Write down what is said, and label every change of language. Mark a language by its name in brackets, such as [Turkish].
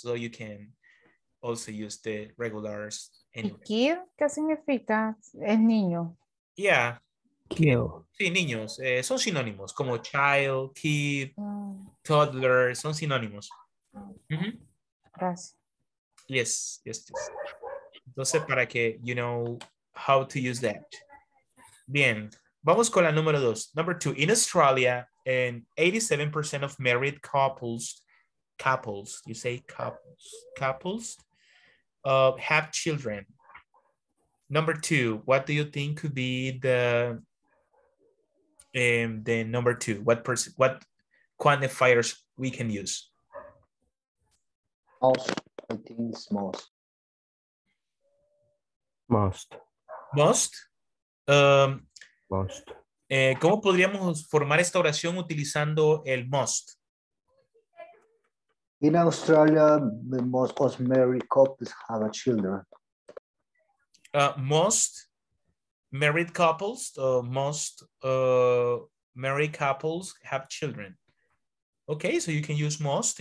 [English] So you can also use the regulars. Anyway. [Spanish] Kid, ¿qué significa? Es niño. [English] Yeah. Kill. [Spanish] Sí, niños, son sinónimos, como child, kid, toddler, son sinónimos. Mm-hmm. Gracias. [English] Yes, yes, yes. [Spanish] Entonces, para que [English] you know how to use that. [Spanish] Bien, vamos con la número dos. [English] Number two, in Australia, and 87% of married couples, you say couples, have children. Number two, what do you think could be the... And then number two, what quantifiers we can use? Most, I think it's most. Most. Most? Most. [Spanish] ¿Cómo podríamos formar esta oración utilizando el most? [English] In Australia, the most married couples have a children. Most married couples, most... married couples have children. Okay, so you can use most.